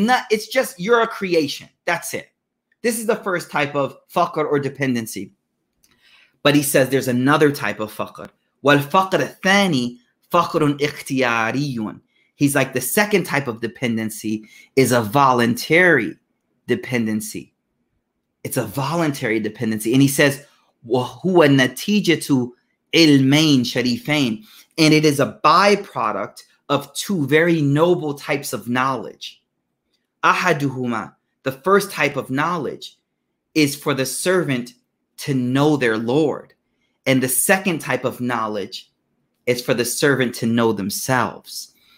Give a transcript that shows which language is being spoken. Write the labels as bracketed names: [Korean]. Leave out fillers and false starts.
[English] It's just, you're a creation. That's it. This is the first type of faqr or dependency. But he says there's another type of faqr. [Arabic] وَالْفَقْرَ الثَّانِي فَقْرٌ اِخْتِيَارِيٌ. [English] He's like, the second type of dependency is a voluntary dependency. It's a voluntary dependency. And he says, [Arabic] وَهُوَ نَتِيجَةُ عِلْمَيْنِ شَرِيفَيْنِ. [English] And it is a byproduct of two very noble types of knowledge. [Arabic] أَحَدُهُمَا. [English] The first type of knowledge is for the servant to know their Lord. And the second type of knowledge is for the servant to know themselves.